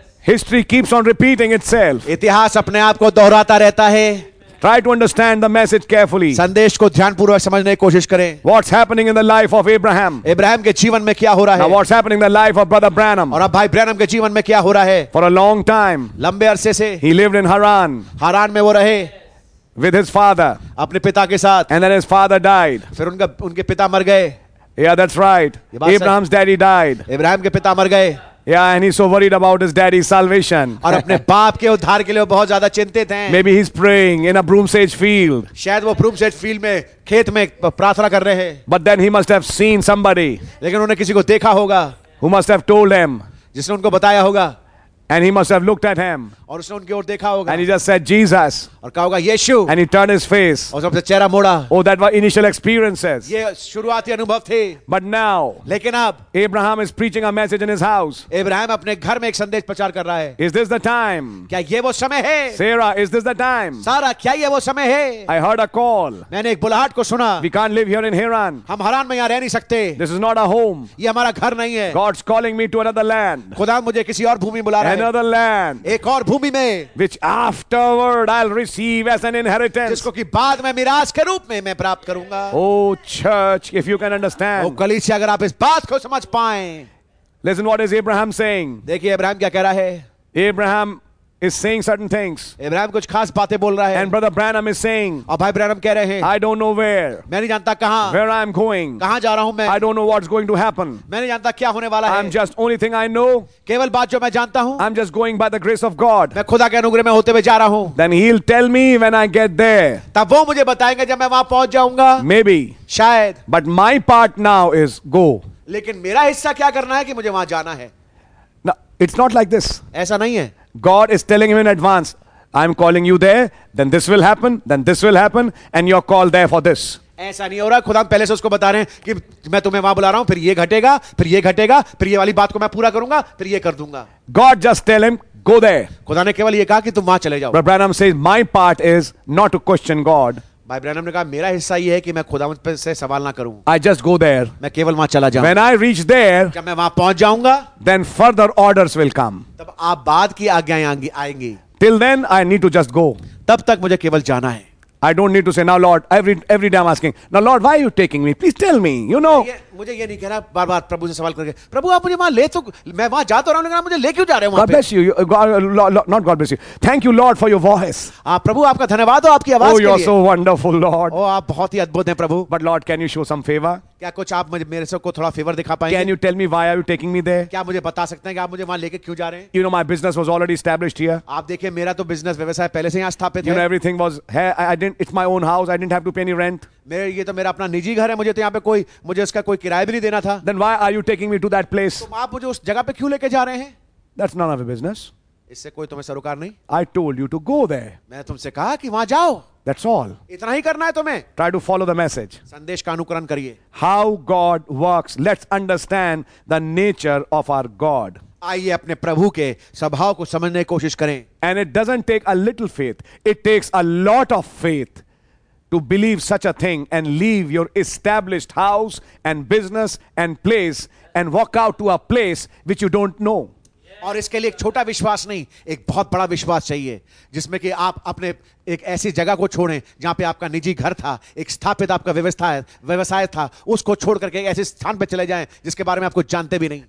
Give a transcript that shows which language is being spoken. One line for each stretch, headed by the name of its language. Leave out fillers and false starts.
English: History keeps on repeating itself.
Hindi: इतिहास अपने आप को दोहराता रहता है.
English: Try to understand the message carefully.
Hindi: संदेश को ध्यानपूर्वक समझने की कोशिश करें.
English: What's happening in the life of Abraham?
Hindi: Abraham के जीवन में क्या हो रहा है?
English: Now what's happening in the life of Brother Branham?
Hindi: और अब भाई ब्रैनम के जीवन में क्या हो रहा है?
English: For a long time.
Hindi: लंबे अरसे से.
English: He lived in Haran.
Hindi: हारान में वो रहे.
English: With his father.
Hindi: अपने पिता के साथ.
English: And then his father died.
Hindi: फिर उनका उनके पिता मर गए.
English: Yeah, that's right. Abraham's daddy died.
Hindi: Abraham के पिता मर गए.
English: Yeah, and he's so worried about his daddy's salvation.
Hindi: और अपने बाप के उद्धार के लिए बहुत ज़्यादा चिंतित हैं.
English: Maybe he's praying in a broomsage field.
Hindi: शायद वो broomsage field में खेत में प्रार्थना कर रहे हैं.
English: But then he must have seen somebody.
Hindi: लेकिन उन्हें किसी को देखा होगा.
English: Who must have told him?
Hindi: जिसने उनको बताया होगा.
English: And he must have looked at him.
Hindi: और उसने उनकी ओर देखा होगा.
English: And he just said Jesus.
Hindi: और कहा होगा यीशु.
English: And he turned his face.
Hindi: और उसने चेहरा मोड़ा.
English: Oh, that were initial experiences.
Hindi: ये शुरुआती अनुभव थे.
English: But now.
Hindi: लेकिन अब.
English: Abraham is preaching a message in his house.
Hindi: Abraham अपने घर में एक संदेश प्रचार कर रहा है.
English: Is this the time?
Hindi: क्या ये वो समय है?
English: Sarah, is this the time?
Hindi: सारा क्या ये वो समय है?
English: I heard a call.
Hindi: मैंने एक बुलाहट को सुना.
English: We can't live here in Haran.
Hindi: हम हारान में यहाँ रह नहीं सकते.
English: This is not a home.
Hindi: ये हमारा घर नहीं है.
English: God's calling me to another land.
Hindi: खुदा मुझे किसी और भूमि बुला रहा है.
English: Another land.
Hindi: एक और भूमि में.
English: Which afterward I'll receive as an inheritance.
Hindi: जिसको कि बाद में मिराज के रूप में मैं प्राप्त करूंगा.
English: Oh church, if you can understand.
Hindi: ओ कलीसिया, अगर आप इस बात को समझ पाएं.
English: Listen, what is Abraham saying?
Hindi: देखिए अब्राहम क्या कह रहा है.
English: Abraham is saying certain things.
Hindi: Abraham कुछ खास बातें बोल रहा है.
English: And brother Branham is saying.
Hindi: और भाई ब्रैनम कह रहे हैं.
English: I don't know where.
Hindi: मैं नहीं जानता कहां.
English: Where I'm going.
Hindi: कहां जा रहा हूं मैं.
English: I don't know what's going to happen.
Hindi: मैं नहीं जानता क्या होने वाला है.
English: I'm just only thing I know.
Hindi: केवल बात जो मैं जानता हूं.
English: I'm just going by the grace of God.
Hindi: मैं खुदा के अनुग्रह में होते हुए जा रहा हूं.
English: Then he'll tell me when I get there.
Hindi: तब वो मुझे बताएंगे जब मैं वहां पहुंच जाऊंगा.
English: Maybe.
Hindi: शायद.
English: But my part now is go.
Hindi: लेकिन मेरा हिस्सा क्या करना है कि मुझे वहां जाना है.
English: No, it's not like this.
Hindi: ऐसा नहीं है.
English: God is telling him in advance, I'm calling you there, then this will happen, and your call there for this.
Hindi: ऐसा नहीं हो रहा. खुदा पहले से उसको बता रहे हैं कि मैं तुम्हें वहां बुला रहा हूं, फिर ये घटेगा, फिर ये घटेगा, फिर ये वाली बात को मैं पूरा करूंगा, फिर ये कर दूंगा.
English: God just tell him, go there.
Hindi: खुदा ने केवल ये कहा कि तुम वहां चले जाओ.
English: But Branham says, my part is not to question God.
Hindi: भाई ब्रैनम ने कहा मेरा हिस्सा ये है कि मैं खुदा से सवाल ना करूं.
English: I just go there.
Hindi: मैं केवल वहां चला जाऊं.
English: When I reach there.
Hindi: जब मैं वहां पहुंच जाऊंगा.
English: Then further orders will come.
Hindi: तब आप बाद की आज्ञाएं आएंगी.
English: Till then I need to just go.
Hindi: तब तक मुझे केवल जाना है.
English: I don't need to say now, Lord. Every day I'm asking. Now, Lord, why are you taking me? Please tell me. You know.
Hindi: मुझे ये नहीं कह रहा बार-बार प्रभु से सवाल करके. प्रभु आप मुझे वहाँ ले तो मैं वहाँ जा तो रहा हूँ लेकिन मुझे ले क्यों जा रहे हो वहाँ
English: पे? God bless you. Not God bless you. Thank you, Lord, for your voice.
Hindi: आप प्रभु आपका धन्यवाद हो आपकी आवाज़ के लिए.
English: Oh, you're so wonderful, Lord.
Hindi: Oh, आप बहुत ही अद्भुत हैं प्रभु.
English: But Lord, can you show some favor?
Hindi: क्या कुछ आप मेरे से को थोड़ा फेवर दिखा पाएंगे?
English: Can you tell me why are you taking me there?
Hindi: क्या मुझे बता सकते हैं कि आप मुझे वहां लेके क्यों जा रहे हैं?
English: You know my business was already established here.
Hindi: आप देखिए मेरा तो बिजनेस व्यवसाय पहले से यहां स्थापित है.
English: You know everything was here. It's my own house. I didn't have to pay any rent.
Hindi: ये तो मेरा अपना निजी घर है. मुझे तो यहाँ पे कोई मुझे इसका कोई किराया भी नहीं देना था.
English: Then why are you taking me to that place?
Hindi: तो आप मुझे उस जगह पे क्यों लेके जा रहे हैं?
English: That's none of your business.
Hindi: इससे कोई तुम्हें सरोकार नहीं.
English: I told you to go there.
Hindi: मैं तुमसे कहा कि वहां जाओ.
English: That's all.
Hindi: इतना ही करना है तुम्हें.
English: Try to follow the message.
Hindi: संदेश का अनुकरण करिए.
English: How God works. Let's understand the nature of our God.
Hindi: आइए अपने प्रभु के स्वभाव को समझने की कोशिश करें.
English: And it doesn't take a little faith. It takes a lot of faith to believe such a thing and leave your established house and business and place and walk out to a place which you don't know.
Hindi: और इसके लिए एक छोटा विश्वास नहीं, एक बहुत बड़ा विश्वास चाहिए, जिसमें कि आप अपने एक ऐसी जगह को छोड़ें जहां पे आपका निजी घर था, एक स्थापित आपका व्यवस्था है, व्यवसाय था, उसको छोड़ करके ऐसे स्थान पे चले जाएं जिसके बारे में आपको जानते भी नहीं.